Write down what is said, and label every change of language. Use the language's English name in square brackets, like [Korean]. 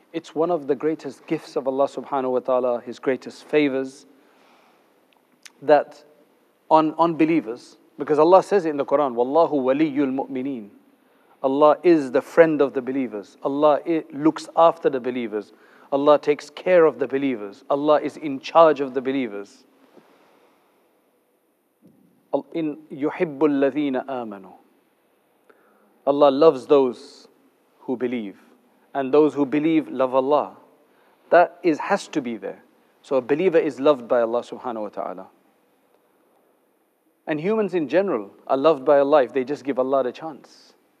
[English] It's one of the greatest gifts of Allah subhanahu wa ta'ala, His greatest favors, that on believers, because Allah says it in the Quran, [Arabic] وَاللَّهُ وَلِيُّ الْمُؤْمِنِينَ. [English] Allah is the friend of the believers. Allah looks after the believers. Allah takes care of the believers. Allah is in charge of the believers. In [Arabic] يُحِبُّ الَّذِينَ آمَنُوا. [English] Allah loves those who believe. And those who believe love Allah. That has to be there. So a believer is loved by Allah subhanahu wa ta'ala. And humans in general are loved by Allah if they just give Allah the chance.